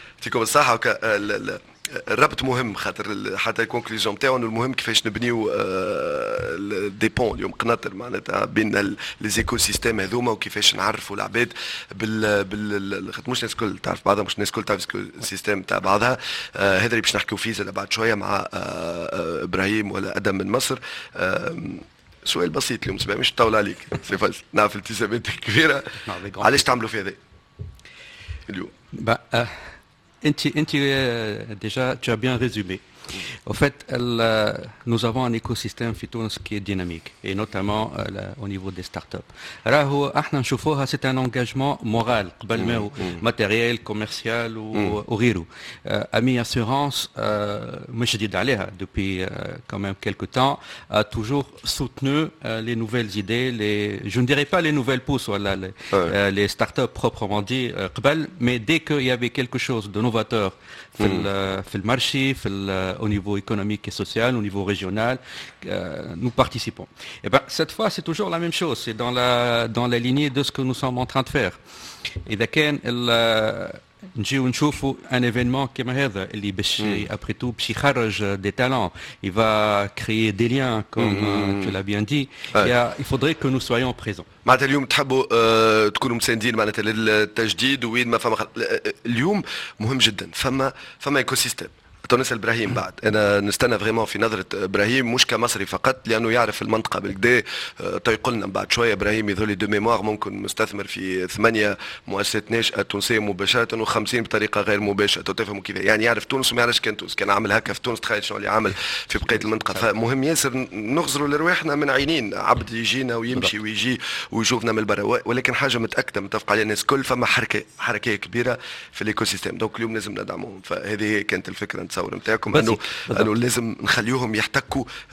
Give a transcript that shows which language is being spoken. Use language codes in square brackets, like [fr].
[ar] يعطيكم الصحة الربط مهم خاطر حتى الكونكليزيون تاعو انه المهم كيفاش نبنيو دي بون اليوم قناطر معناتها بين ليزيكو سيستيم هذوما وكيفاش نعرفوا العباد بال مش الناس الكل تعرف بعضها مش الناس الكل تعرف السيستيم تاع بعضها هذا اللي باش نحكيو فيه زاد بعد شويه مع ابراهيم ولا ادم من مصر سؤال بسيط اليوم سبعه مش طول عليك سي فاز نعرف التزامات كبيره علاش تعملوا في هذا اليوم انت ديجا تو بيان ريزومي Au fait, nous avons un écosystème في تونس qui est dynamique, et notamment au niveau des startups. راهو احنا نشوفوها [fr] c'est un engagement moral, [ar] قبل ما هو [fr] matériel, commercial ou [ar] غيره. [fr] Ami Assurance, [ar] مش جديد عليها, [fr] depuis quand même quelques temps, a toujours soutenu les nouvelles idées, je ne dirais pas les nouvelles pousses, voilà, les startups proprement dit, قبل, mais dès qu'il y avait quelque chose de novateur, [ar] في المارشي في [fr] au niveau économique et social, au niveau régional, nous participons. Et ben cette fois c'est toujours la même chose, c'est dans la lignée de ce que nous sommes en train de faire. Et d'accord, nous trouvons un événement qui m'aide, il est après tout psychologue des talents, il va créer des liens comme tu l'as bien dit. Il faudrait que nous soyons présents. [ar] معناتها اليوم تحبوا تكونوا مساندين معناتها للتجديد وين ما فما اليوم مهم جدا فما ايكوسيستم تونس ابراهيم بعد انا نستنى فريمون في نظره ابراهيم مش كمصري فقط لانه يعرف المنطقه بالكدا تيقول لنا بعد شويه ابراهيم يذولي دو ميموار ممكن مستثمر في ثمانيه مؤسسات ناشئه تونسيه مباشره و50 بطريقه غير مباشره تفهموا كيف يعني يعرف تونس وما يعرفش كان تونس كان عامل هكا في تونس تخيل شنو اللي عامل في بقيه المنطقه فمهم ياسر نغزروا لارواحنا من عينين عبد يجينا ويمشي ويجي ويشوفنا من برا ولكن حاجه متاكده متفق عليها الناس الكل فما حركه كبيره في الايكو سيستم دونك اليوم لازم ندعمهم فهذه كانت الفكره تصور نتاعكم انه لازم نخليوهم يحتكوا